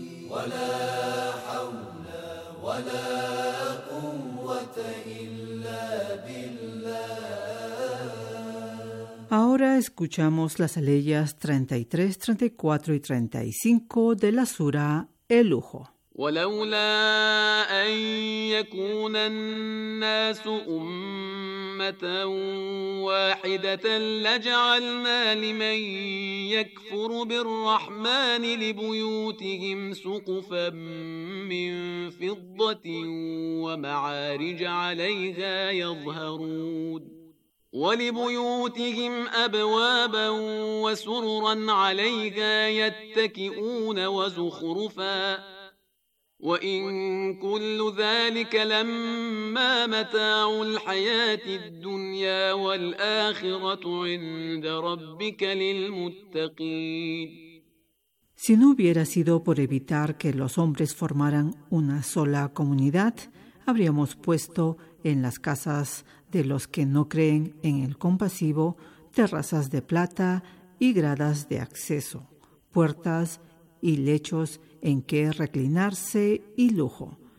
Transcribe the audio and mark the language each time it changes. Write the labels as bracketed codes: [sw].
[ar] ولا حول ولا قوة إلا بالله. [es] Ahora escuchamos las aleyas 33, 34 y 35 de la sura El Lujo. [ar] ولولا أن يكون الناس أمة واحدة لجعلنا لمن يكفر بالرحمن لبيوتهم سقفا من فضة ومعارج عليها يظهرون ولبيوتهم أبوابا وسررا عليها يتكئون وزخرفا وَإِنْ كُلُّ ذَلِكَ لَمَّا مَتَاعُ الْحَيَاةِ الدُّنْيَا وَالْآخِرَةُ عِنْدَ رَبِّكَ لِلْمُتَّقِينَ. [es] Si no hubiera sido por evitar que los hombres formaran una sola comunidad, habríamos puesto en las casas de los que no creen en el compasivo terrazas de plata y gradas de acceso, puertas y lechos en que reclinarse y lujo.